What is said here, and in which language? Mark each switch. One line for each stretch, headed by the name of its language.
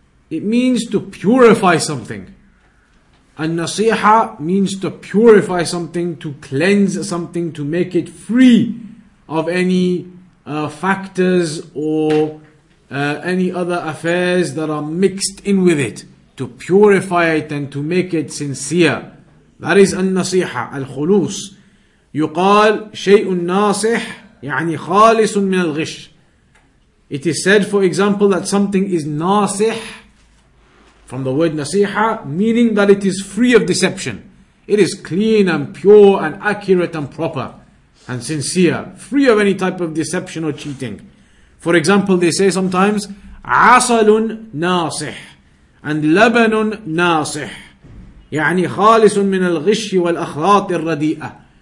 English: It means to purify something. An-nasiha means to purify something, to cleanse something, to make it free of any factors or any other affairs that are mixed in with it. To purify it and to make it sincere. That is an-nasiha, al-khulus.
Arabic: يقال شيء ناصح يعني خالص من الغش.
English: It is said, for example, that something is ناصح, from the word nasiha, meaning that it is free of deception. It is clean and pure and accurate and proper and sincere, free of any type of deception or cheating. For example, they say sometimes, asalun nasih and labanun nasih,
Arabic: يعني خالص من الغش والأخلاط الرديئة.